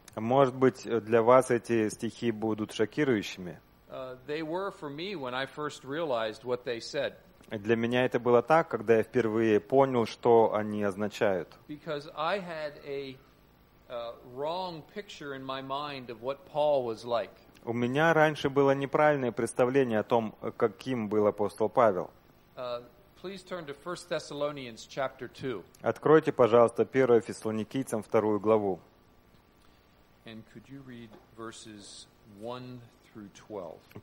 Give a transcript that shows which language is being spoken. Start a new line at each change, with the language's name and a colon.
Russian: Может быть, для вас эти стихи будут шокирующими.
English: They were for me when I first realized what they said.
Russian: Для меня это было так, когда я впервые понял, что они означают.
English: Because I had a wrong picture in my mind of what Paul was like.
Russian: У меня раньше было неправильное представление о том, каким был апостол Павел.
English: Please turn to 1 Thessalonians chapter 2.
Russian: Откройте, пожалуйста, 1 Фессалоникийцам 2 главу.
English: And could you read verses 1 through 12? Please.